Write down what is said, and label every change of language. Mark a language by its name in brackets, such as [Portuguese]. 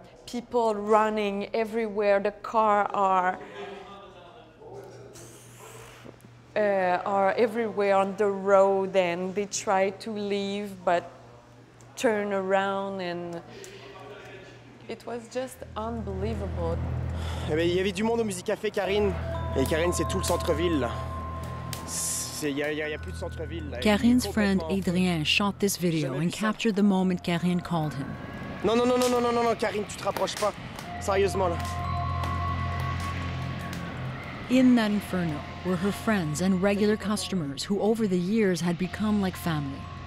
[English] People running everywhere. The car are everywhere on the road, and they try to leave, but turn around, and it was just unbelievable. [French] Eh bien, il y avait du monde au Musi-Cafe, Karine. Et Karine, c'est tout le centre-ville. Il y a plus de centre-ville. [English] Karine's friend Adrien shot this video and captured the moment Karine called him. [French] Non, Karine, tu te rapproches pas. Sérieusement, là. [English] In that inferno were her friends and regular customers who over the years had become like family.